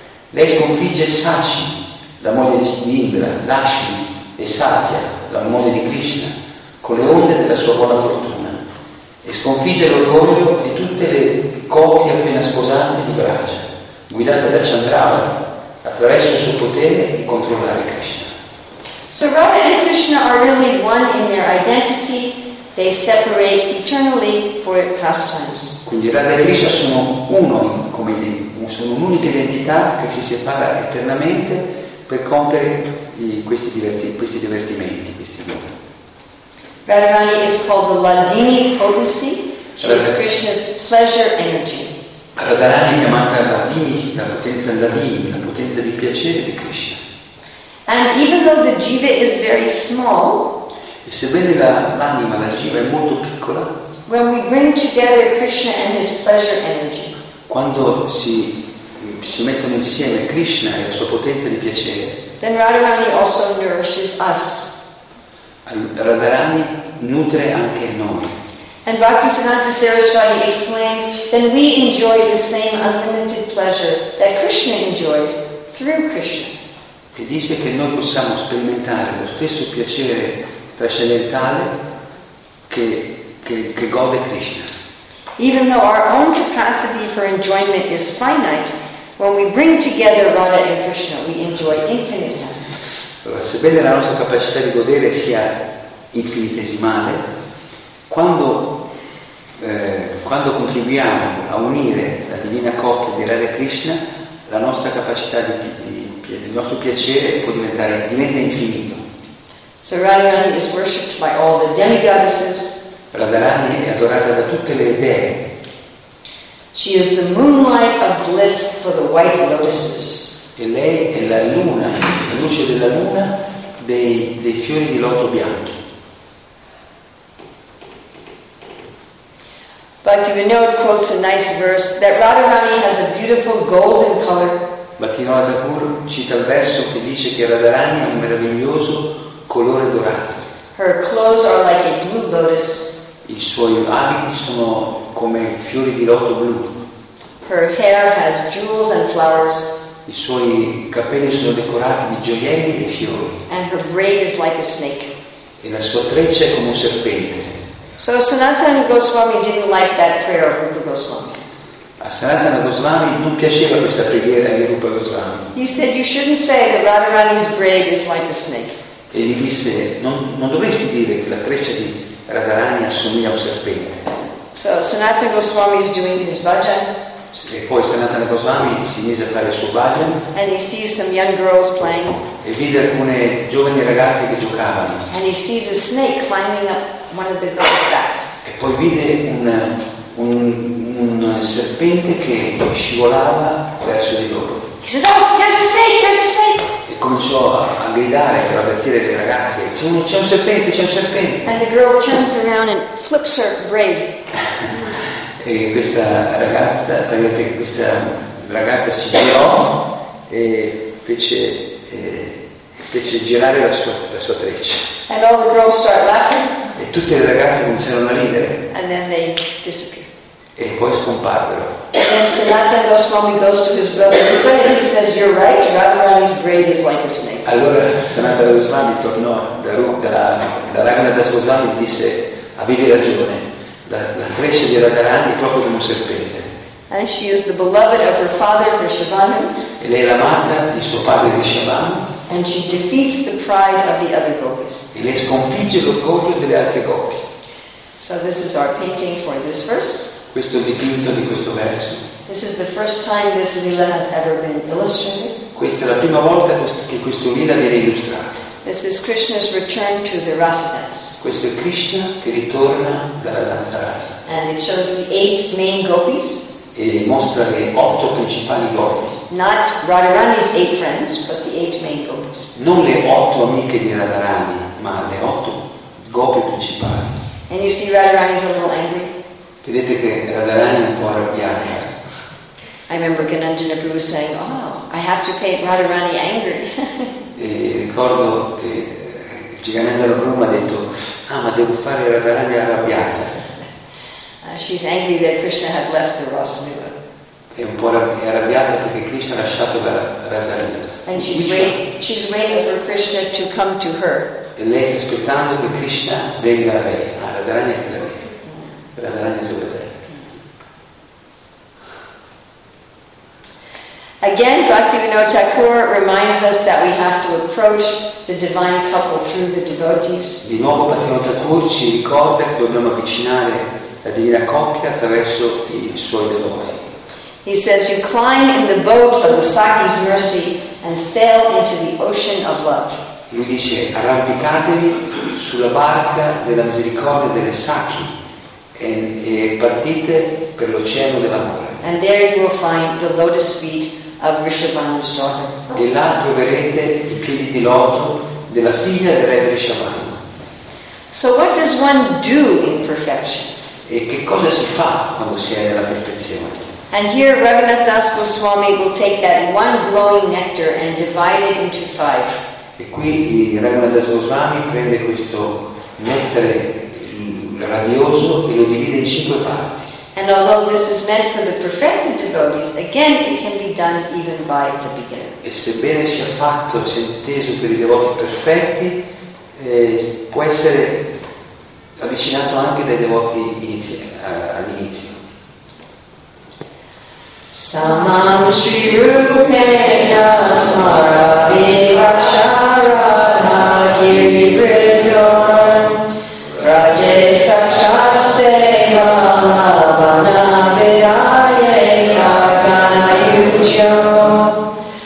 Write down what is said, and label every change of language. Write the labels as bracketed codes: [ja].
[it] Lei sconfigge Sachi, la moglie di Indra, Lakshmi e Satya, la moglie di Krishna, con le onde della sua buona fortuna, e sconfigge l'orgoglio di tutte le coppie appena sposate di Vraja, guidate da Chandravati, attraverso il suo potere di controllare Krishna. [en] So Radha and Krishna are really one in their identity, they separate eternally for pastimes. [it] Quindi Radha e Krishna sono uno, come sono un'unica identità che si separa eternamente per compiere questi divertimenti. [en] Radharani is called the Ladini potency. She is Krishna's pleasure energy. [it] Radharani è chiamata la potenza Ladini, la potenza di piacere di Krishna. [en] And even though the jiva is very small, [it] e sebbene l'anima, la jiva è molto piccola, [en] when we bring together Krishna and his pleasure energy, [it] quando si mettono insieme Krishna e la sua potenza di piacere, [en] then Radharani also nourishes us. [it] Radharani nutre anche noi. [en] And Bhaktisiddhanta Saraswati explains that we enjoy the same unlimited pleasure that Krishna enjoys through Krishna. [it] E dice che noi possiamo sperimentare lo stesso piacere trascendentale che gode Krishna. [en] Even though our own capacity for enjoyment is finite, when we bring together Radha and Krishna, we enjoy infinite happiness. [it] Sebbene la nostra capacità di godere sia infinitesimale, quando contribuiamo a unire la divina coppia di Radha e Krishna, la nostra capacità il nostro piacere diventa infinito. [en] So Radharani is worshipped by all the demigoddesses. [it] Radharani è adorata da tutte le dee. [en] She is the moonlight of bliss for the white lotuses. [it] E lei è la luna, la luce della luna dei fiori di loto bianchi. [en] Bhaktivinoda quotes a nice verse that Radharani has a beautiful golden color. [it] Bhaktivinoda Thakur cita il verso che dice che Radharani ha un meraviglioso colore dorato. [en] Her clothes are like a blue lotus. [it] I suoi abiti sono come fiori di loto blu. [en] Her hair has jewels and flowers. [it] I suoi capelli sono decorati di gioielli e fiori. [en] And her braid is like a snake. [it] E la sua treccia è come un serpente. [en] So Sanatana Goswami didn't like that prayer of Rupa Goswami. [it] A Sanatana Goswami non piaceva questa preghiera di Rupa Goswami. [en] He said you shouldn't say that Radharani's braid is like a snake. [it] E gli disse non dovresti dire che la treccia di Radharani assomiglia a un serpente. [en] So Sanatana Goswami is doing his bhajan. [it] E poi Sanatana Goswami si mise a fare il suo bhajan. [en] And he sees some young girls playing. [it] E vide alcune giovani ragazze che giocavano. [en] And he sees a snake climbing up one of the girls' backs. [it] E poi vide un serpente che scivolava verso di loro. [en] He says, oh, there's a snake, there's a snake. [it] E cominciò a gridare per avvertire le ragazze. C'è un serpente, c'è un serpente. [en] And the girl turns around and flips her braid. [it] E questa ragazza si girò e fece girare la sua treccia. [en] And all the girls start laughing. [it] E tutte le ragazze cominciarono a ridere. [en] And then they disappear. [it] E poi scomparvero. [en] And then Sanatana Goswami goes to his brother Rupa and he says, "You're right. Radharani's braid is like a snake." [it] Allora Sanatana Goswami tornò da Raghunatha Goswami e disse, "Avevi ragione. La treccia di Radharani è proprio come un serpente." [en] And she is the beloved of her father Vrishabhanu. [it] E lei è l'amata di suo padre Vrishabhanu. [en] And she defeats the pride of the other gopis. [it] E lei sconfigge l'orgoglio delle altre gopi. [en] So this is our painting for this verse. [it] Questo è il dipinto di questo verso. [en] This is the first time this lila has ever been illustrated. [it] Questa è la prima volta che questo lila viene illustrato. [en] This is Krishna's return to the rasa dance. [it] Questo è Krishna che ritorna dalla danza rasa. [en] And it shows the eight main gopis. [it] E mostra le otto principali gopi. [en] Not Radharani's eight friends, but the eight main gopis. [it] Non le otto amiche di Radharani, ma le otto gopi principali. [en] And you see Radharani's a little angry. [it] Vedete che Radharani è un po' arrabbiata. [en] I remember Ganandana Prabhu saying, "Oh, I have to paint Radharani angry." [it] E ricordo che Jagannatha Prabhu ha detto, "Ah, ma devo fare Radharani arrabbiata." [en] She's angry that Krishna had left the Rasa Lila. [it] È un po' arrabbiata perché Krishna ha lasciato la Rasa Lila. [en] And she's waiting for Krishna to come to her. [it] E lei sta aspettando che Krishna venga a lei. Ah, Radharani è per lei. [en] Again, Bhaktivinoda Thakur reminds us that we have to approach the divine couple through the devotees. [it] Di nuovo Bhaktivinoda Thakur ci ricorda che dobbiamo avvicinare la divina coppia attraverso i suoi devoti. [en] He says, "You climb in the boat of the Sakhi's mercy and sail into the ocean of love." [it] Lui dice, arrampicatevi sulla barca della misericordia delle Sakhi e partite per l'oceano dell'amore. [en] And there you will find the lotus feet of Vrishabhanu's daughter. [it] E là troverete i piedi di loto della figlia del re Vrishabhanu. [en] So what does one do in perfection? [it] E che cosa si fa quando si è nella perfezione? [en] And here Raghunatha Das Goswami will take that one glowing nectar and divide it into five. [it] E qui Raghunatha Das Goswami prende questo nettare radioso e lo divide in cinque parti. [en] And although this is meant for the perfected devotees, again it can be done even by the beginner. [it] E sebbene sia fatto, sia inteso per i devoti perfetti, può essere avvicinato anche dai devoti all'inizio. [sa] Samam Sri Rupena Smaravivacharana Giridhar Raja Sakshat Seva Lavana Vidaya Takana Yujo